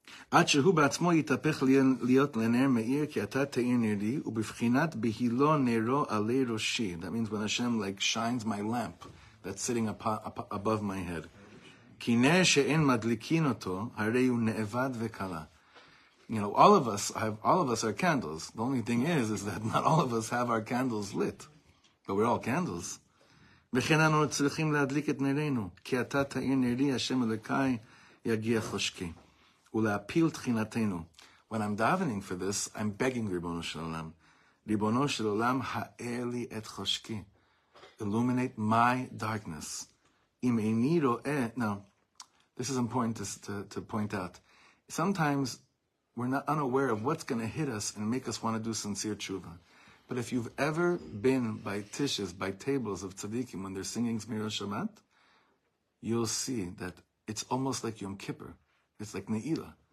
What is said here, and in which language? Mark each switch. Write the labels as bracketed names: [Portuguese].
[Hebrew] עד שהוא בעצמו יתהפך להיות לנר מאיר, כי אתה תאיר נרי, ובבחינת בהילו נרו עלי ראשי. [English] That means when Hashem shines my lamp that's sitting above my head. [Hebrew] כי נר שאין מדליקין אותו, הרי הוא נאבד וקלה. [English] All of us are candles. The only thing is that not all of us have our candles lit. But we're all candles. [Hebrew] וכן אנו צריכים להדליק את נרינו, כי אתה תאיר נרי, השם אלוקי, יגיע חושקי. ולהפיל תחינתנו. [English] When I'm davening for this, I'm begging ריבונו של עולם. [Hebrew] ריבונו של עולם, האר לי את חושקי. [English] Illuminate my darkness. [Hebrew] אם איני רואה... [English] Now, this is important to point out. Sometimes we're not unaware of what's going to hit us and make us want to do sincere tshuva. But if you've ever been by tishes, by tables of tzaddikim, when they're singing Zmir HaShabbat, you'll see that it's almost like Yom Kippur. It's like Ne'ilah.